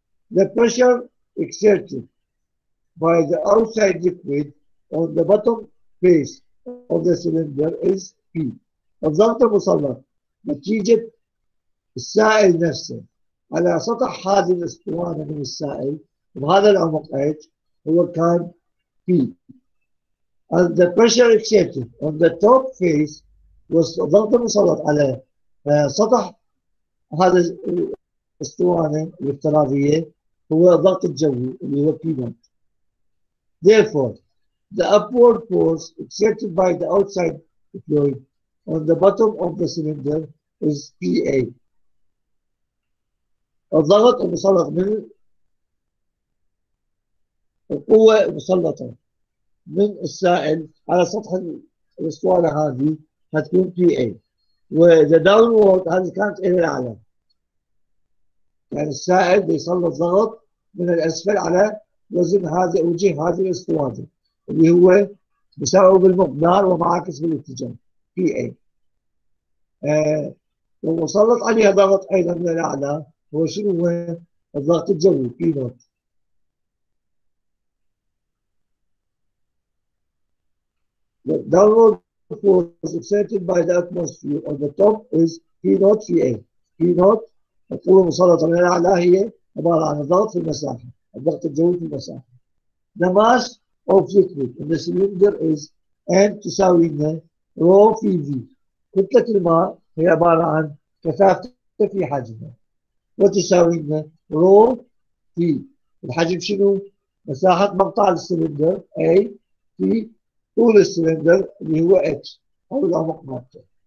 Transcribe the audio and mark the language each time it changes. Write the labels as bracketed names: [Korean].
[English] The pressure exerted by the outside liquid on the bottom face of the cylinder is P. [Arabic] الضغط المسلط نتيجة السائل نفسه على سطح هذه الأسطوانة من السائل بهذا العمق H هو كان P. [English] And the pressure exerted on the top face was [Arabic] الضغط المسلط على سطح هذا الأسطوانة الافتراضية هو الضغط الجوي اللي هو P1. [English] Therefore, the upward force exerted by the outside fluid on the bottom of the cylinder is PA. [Arabic] الضغط المسلط من القوة المسلطة من السائل على سطح الأسطوانة هذه هتكون PA. و [English] the downward [Arabic] هذه كانت إلى الأعلى. يعني السائل بيسلط ضغط من الأسفل على وزن هذه وجه هذه الأسطوانة اللي هو بيساوي بالمقدار ومعاكس بالاتجاه في اي. ومسلط عليها ضغط أيضا من الأعلى هو شنو؟ هو الضغط الجوي في نوت. [English] Downward force exerted by the atmosphere on the top is P naught Pa. [Arabic] P naught القوة المسلطة من الأعلى هي عبارة عن الضغط في المساحة، الضغط الجوي في المساحة. [English] The mass of liquid in the cylinder is M [Arabic] تساوي [English] rho في V. [Arabic] كتلة الماء هي عبارة عن كثافة في حجمها. وتساوي rho في الحجم شنو؟ مساحة مقطع السلندر A في طول السلندر اللي هو H أو العمق مالته.